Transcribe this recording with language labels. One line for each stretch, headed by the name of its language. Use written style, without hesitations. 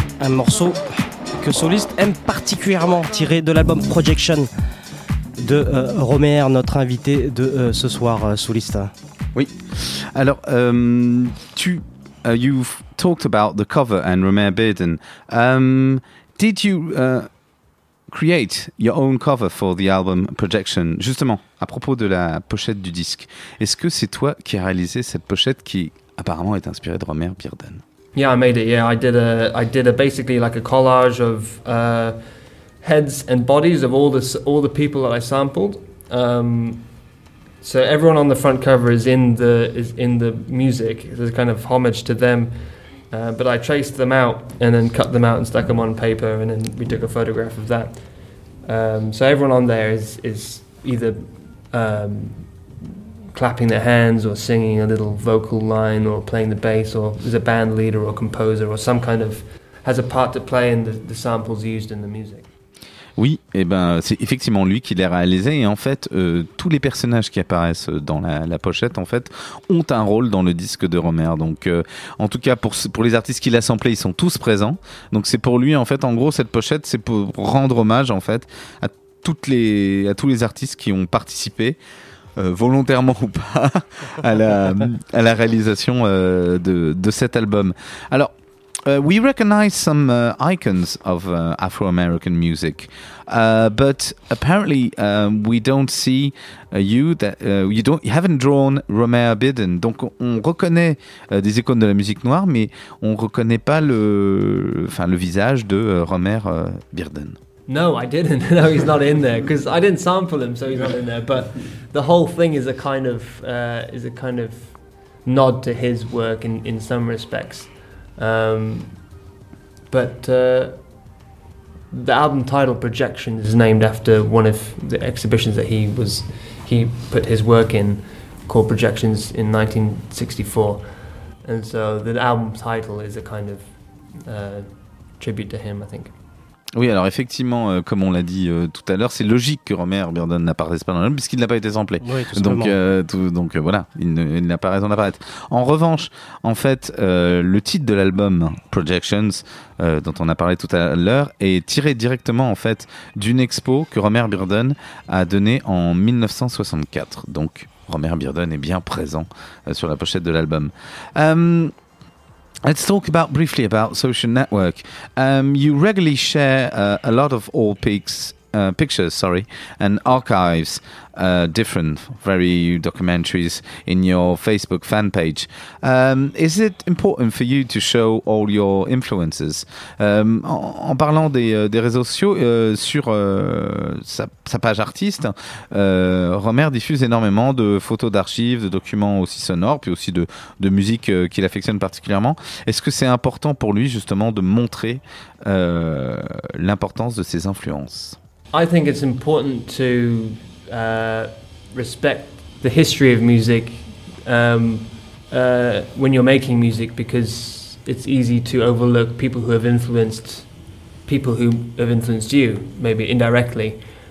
French: Morceau que Soliste aime particulièrement, tiré de l'album Projection de Romer, notre invité de ce soir, Soliste. Oui.
English: Alors, you've talked about the cover and Romer Bearden. Did you create your own cover for the album Projection?
French: Justement, à propos de la pochette du disque, est-ce que c'est toi qui as réalisé cette pochette qui apparemment est inspirée de Romer Bearden?
English: Yeah, I made it. Yeah, I did a basically like a collage of heads and bodies of all the people that I sampled. So everyone on the front cover is in the music. It's a kind of homage to them. But I traced them out and then cut them out and stuck them on paper, and then we took a photograph of that. So everyone on there is either clapping their hands or singing a little vocal line or playing the bass, or is a band leader or composer or some kind of has a part to play in the samples used in the music.
French: Oui, et ben c'est effectivement lui qui l'a réalisé, et en fait tous les personnages qui apparaissent dans la pochette en fait ont un rôle dans le disque de Romer. Donc en tout cas pour les artistes qu'il a samplés, ils sont tous présents. Donc c'est pour lui en fait, en gros cette pochette c'est pour rendre hommage en fait à tous les artistes qui ont participé volontairement ou pas à la réalisation de cet album.
English: Alors, we recognize some icons of Afro-American music, but apparently we don't see you haven't drawn Romer Bearden.
French: Donc on reconnaît des icônes de la musique noire, mais on reconnaît pas le visage de Romer Bearden.
English: No, I didn't. No, he's not in there because I didn't sample him, so he's not in there. But the whole thing is a kind of nod to his work in some respects. The album title Projection is named after one of the exhibitions that he put his work in, called Projections, in 1964, and so the album title is a kind of tribute to him, I think.
French: Oui, alors effectivement, comme on l'a dit tout à l'heure, c'est logique que Romer Bearden n'apparaisse pas dans l'album puisqu'il n'a pas été samplé. Oui, tout simplement. Donc voilà, il n'a pas raison d'apparaître. En revanche, en fait, le titre de l'album Projections, dont on a parlé tout à l'heure, est tiré directement en fait d'une expo que Romer Bearden a donnée en 1964. Donc Romer Bearden est bien présent sur la pochette de l'album.
English: Let's talk briefly about Social Network. You regularly share a lot of All Peaks pictures, sorry, and archives, different, very documentaries in your Facebook fan page. Is it important for you to show all your influences?
French: En parlant des réseaux sociaux, sur sa page artiste, Romer diffuse énormément de photos d'archives, de documents aussi sonores, puis aussi de musique qu'il affectionne particulièrement. Est-ce que c'est important pour lui justement de montrer l'importance de ses influences?
English: I think it's important to respect the history of music when you're making music, because it's easy to overlook people who have influenced you, maybe indirectly.